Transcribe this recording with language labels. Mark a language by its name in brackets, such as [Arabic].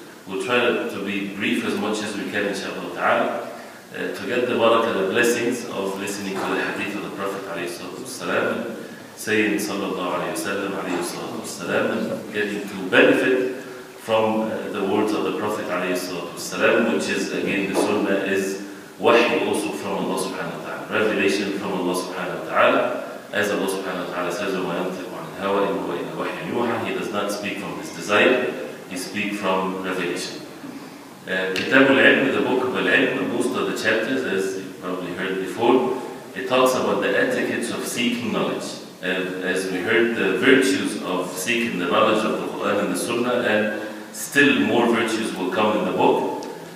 [English] We'll try to be brief as much as we can, inshaAllah ta'ala, to get the barakah, the blessings of listening to the hadith of the Prophet والسلام, saying sallallahu alayhi wa sallam, alayhi wa sallam, and getting to benefit from the words of the Prophet والسلام, which is again the sunnah is wahi also from Allah subhanahu wa ta'ala, revelation from Allah subhanahu wa ta'ala. As Allah subhanahu wa ta'ala says, [Arabic] وَمَا يَنْتِقُ عَنِ الْهَوَىٰ إِنْ هُوَ إِلَّا وَحْيٌ يُوحَىٰ. [English] He does not speak from his desire, he speaks from revelation. Kitab al-Ilm, the book of al-Ilm, most of the chapters, as you probably heard before, it talks about the etiquettes of seeking knowledge. And as we heard, the virtues of seeking the knowledge of the Quran and the Sunnah, and still more virtues will come in the book.